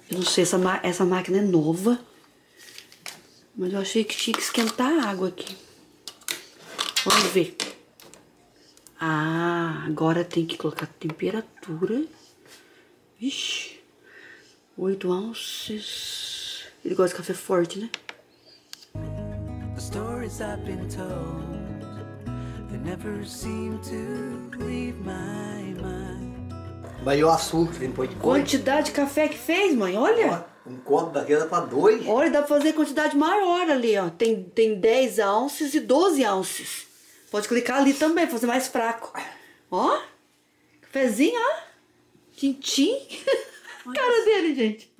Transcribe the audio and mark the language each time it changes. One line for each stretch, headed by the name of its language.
Portuguese: Eu não sei, essa máquina é nova. Mas eu achei que tinha que esquentar a água aqui. Vamos ver. Ah, agora tem que colocar a temperatura. Vixe. 8 onças. Ele gosta de café forte, né?
English: The stories I've been told, they never seem to leave my mind.
Portuguese: Mas o açúcar vem depois de quanto? Quantidade de café que fez, mãe? Olha! Um copo daqui dá pra dois. Olha, dá pra fazer quantidade maior ali, ó. Tem 10 onças e 12 onças. Pode clicar ali também, fazer mais fraco. Ó! Cafezinho, ó! Tintim! Cara dele, gente!